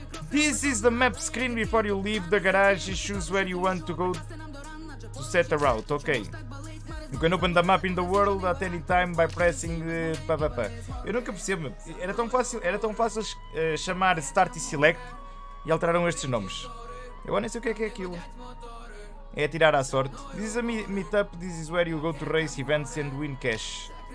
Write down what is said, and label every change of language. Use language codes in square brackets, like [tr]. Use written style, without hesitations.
[en] This is the map screen before you leave the garage and choose where you want to go to set a route, ok? You can open the map in the world at any time by pressing papapá. [pt] Eu nunca percebo, era tão fácil chamar Start e Select e alteraram estes nomes. Eu nem sei o que é aquilo. É tirar à sorte. [en] This is a meetup. This is where you go to race events and win cash.